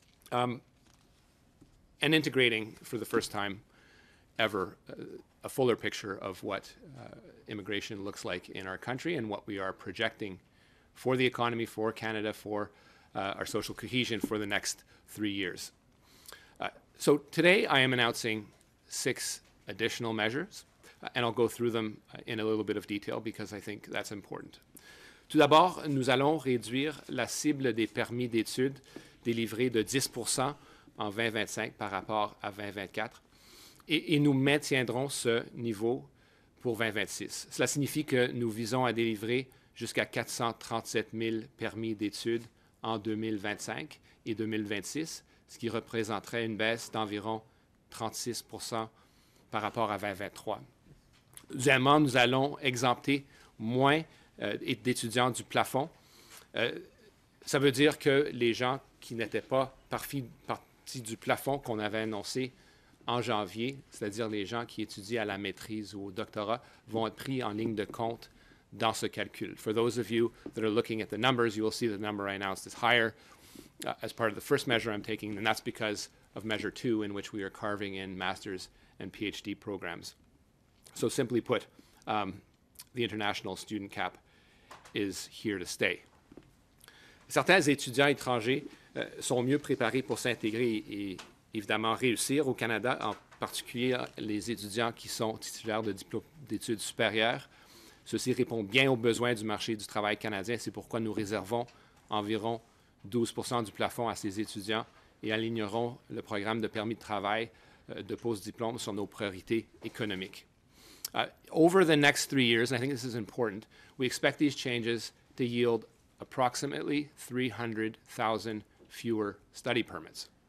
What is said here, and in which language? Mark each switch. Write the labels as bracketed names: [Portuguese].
[English] And integrating for the first time ever a fuller picture of what immigration looks like in our country and what we are projecting for the economy, for Canada, for our social cohesion for the next 3 years. So today I am announcing six additional measures, and I'll go through them in a little bit of detail because I think that's important. [French] Tout d'abord, nous allons réduire la cible des permis d'études délivrés de 10% en 2025 par rapport à 2024, et nous maintiendrons ce niveau pour 2026. Cela signifie que nous visons à délivrer jusqu'à 437 000 permis d'études en 2025 et 2026, ce qui représenterait une baisse d'environ 36 % par rapport à 2023. Deuxièmement, nous allons exempter moins d'étudiants du plafond. Ça veut dire que les gens qui n'étaient pas du plafond qu'on avait annoncé en janvier, c'est-à-dire les gens qui étudient à la maîtrise ou au doctorat, vont être pris en ligne de compte dans ce calcul. [English] For those of you that are looking at the numbers, you will see the number I announced is higher as part of the first measure I'm taking, and that's because of measure two, in which we are carving in master's and PhD programs. So simply put, the international student cap is here to stay. [French] Certains étudiants étrangers sont mieux préparés pour s'intégrer et évidemment réussir au Canada, en particulier les étudiants qui sont titulaires de diplômes d'études supérieures. Ceci répond bien aux besoins du marché du travail canadien, c'est pourquoi nous réservons environ 12 % du plafond à ces étudiants et alignerons le programme de permis de travail de post-diplôme sur nos priorités économiques. [English] Over the next 3 years, and I think this is important, we expect these changes to yield approximately 300,000 fewer study permits.